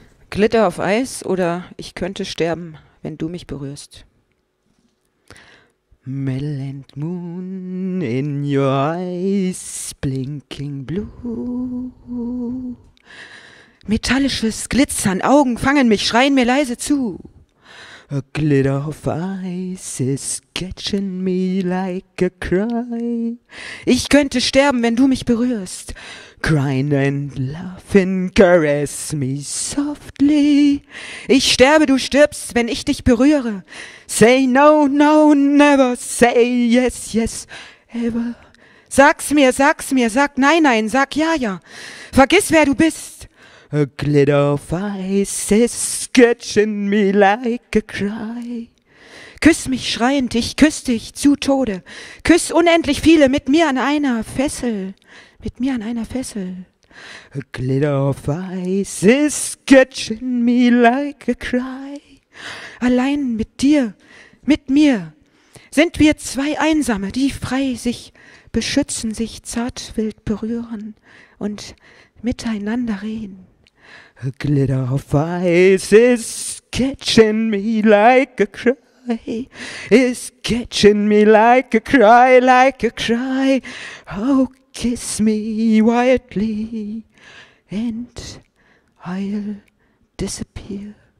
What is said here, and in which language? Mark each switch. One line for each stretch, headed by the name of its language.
German: Glitter auf Eis oder ich könnte sterben, wenn du mich berührst.
English: Metal and moon in your eyes, blinking blue.
German: Metallisches Glitzern, Augen fangen mich, schreien mir leise zu.
English: A glitter of ice is catching me like a cry.
German: Ich könnte sterben, wenn du mich berührst.
English: Crying and laughing, caress me softly.
German: Ich sterbe, du stirbst, wenn ich dich berühre.
English: Say no, no, never, say yes, yes, ever.
German: Sag's mir, sag nein, nein, sag ja, ja. Vergiss, wer du bist.
English: A glitter of ice is catching me like a cry.
German: Küss mich schreiend, ich küss dich zu Tode. Küss unendlich viele mit mir an einer Fessel. Mit mir an einer Fessel.
English: Glitter of ice is catching me like a cry.
German: Allein mit dir, mit mir, sind wir zwei Einsame, die frei sich beschützen, sich zart wild berühren und miteinander reden.
English: A glitter of ice is catching me like a cry, is catching me like a cry. Oh, kiss me wildly and I'll disappear.